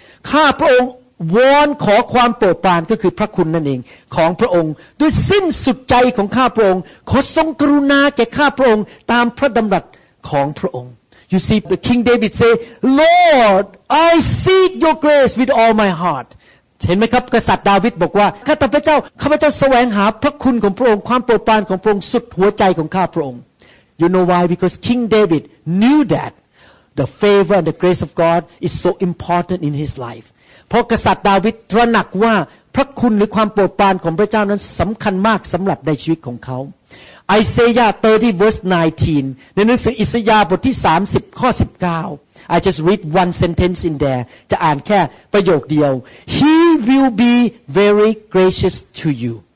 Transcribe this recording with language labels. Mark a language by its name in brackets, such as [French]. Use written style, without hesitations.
[Thai] ข้าพระองค์วอนขอความโปรดปรานก็คือพระคุณนั่นเองของพระองค์ด้วยสิ้นสุดใจของข้าพระองค์ขอทรงกรุณาแก่ข้าพระองค์ตามพระดำรัสของพระองค์ [English] You see, the King David say, Lord, I seek your grace with all my heart. [Thai] เห็นไหมครับกษัตริย์ดาวิดบอกว่าข้าแต่พระเจ้าข้าพระเจ้าแสวงหาพระคุณของพระองค์ความโปรดปรานของพระองค์สุดหัวใจของข้าพระองค์ [English] You know why? Because King David knew that the favor and the grace of God is so important in his life. [Thai] เพราะกษัตริย์ดาวิดตระหนักว่าพระคุณหรือความโปรดปรานของพระเจ้านั้นสำคัญมากสำหรับในชีวิตของเขา [English] Isaiah 30 verse 19 [Thai] ในหนังสืออิสยาห์บทที่30ข้อ19 [English] I just read one sentence in there [Thai] จะอ่านแค่ประโยคเดียว [English] He will be very gracious to you.